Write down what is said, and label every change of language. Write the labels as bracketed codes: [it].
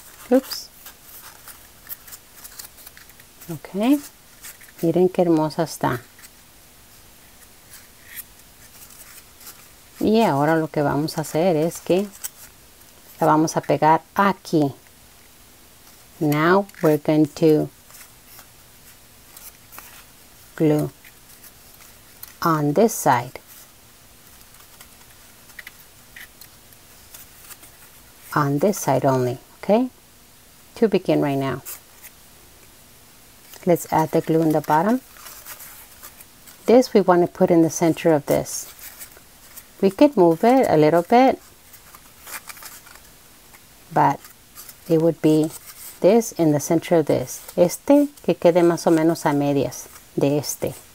[en] Oops. Okay. [es] Miren qué hermosa está. Y ahora lo que vamos a hacer es que la vamos a pegar aquí. [en] Now we're going to glue on this side. On this side only, okay? To begin right now. Let's add the glue in the bottom. This we want to put in the center of this. We could move it a little bit, but it would be this in the center of this. [es] Este que quede más o menos a medias de este.